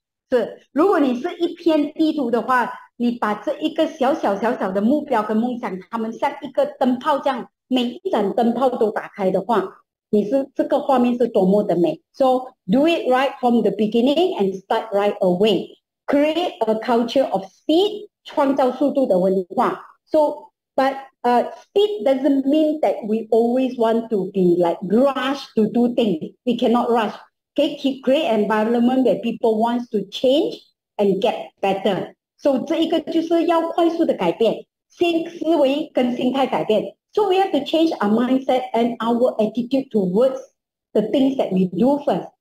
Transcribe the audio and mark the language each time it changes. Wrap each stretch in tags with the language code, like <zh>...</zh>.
<zh>So, 如果你是一片地图的话，你把这一个小小小小的目标跟梦想，他们像一个灯泡这样，每一盏灯泡都打开的话，你是这个画面是多么的美.</zh> <en>So, do it right from the beginning and start right away. Create a culture of speed,</en> <zh>创造速度的文化.</zh> <en>So, but speed doesn't mean that we always want to be like rushed to do things. We cannot rush. Okay, create an environment where people want to change and get better.</en> <zh>So, 这一个就是要快速的改变, 新思维跟心态改变.</zh> <en>So, we have to change our mindset and our attitude towards the things that we do first.</en>